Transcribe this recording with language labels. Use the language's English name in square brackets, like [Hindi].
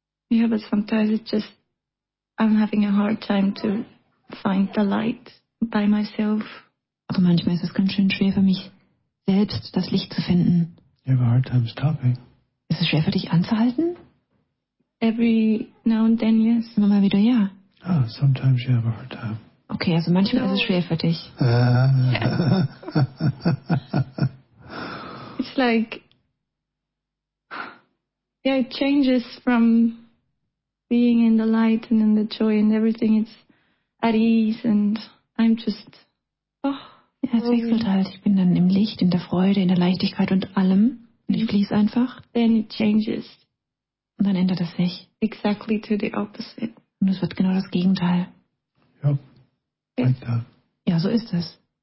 [English] Yeah, but sometimes it just I'm having a hard time to find the light by myself. [German] Aber manchmal ist es ganz schön schwer für mich, selbst das Licht zu finden. [English] You have a hard time stopping. [German] Ist es schwer für dich anzuhalten? [English] Every now and then, yes. [German] Immer mal wieder, ja. [English] Oh, sometimes you have a hard time. [German] Okay, also manchmal ist es schwer für dich. [English] It's like, yeah, it changes from being in the light and in the joy and everything, it's at ease and I'm just, oh. [German] Ja, es wechselt halt. Ich bin dann im Licht, in der Freude, in der Leichtigkeit und allem. Und ich fließe einfach. [English] Then it changes. [German] Und dann ändert es sich. [English] Exactly to the opposite. [German] Und es wird genau das Gegenteil. Ja, [English] like that. [German] Ja, so ist es.